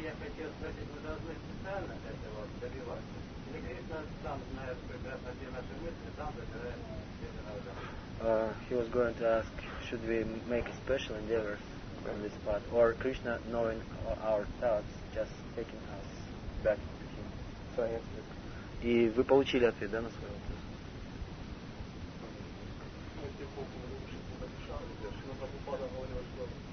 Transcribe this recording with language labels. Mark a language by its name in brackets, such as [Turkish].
[Russian] Я хотел спросить, мы должны специально этого добиваться. Или Кришна сам знает прекрасно все наши мысли, сам забирает все народы. [English] He was going to ask, should we make a special endeavor on this path, or Krishna, knowing our thoughts, just taking us back to him? So I answered. [Russian] И вы получили ответ, да, на свой вопрос? Если Бог не разрушит, то Шрила Прабхупада говорил, что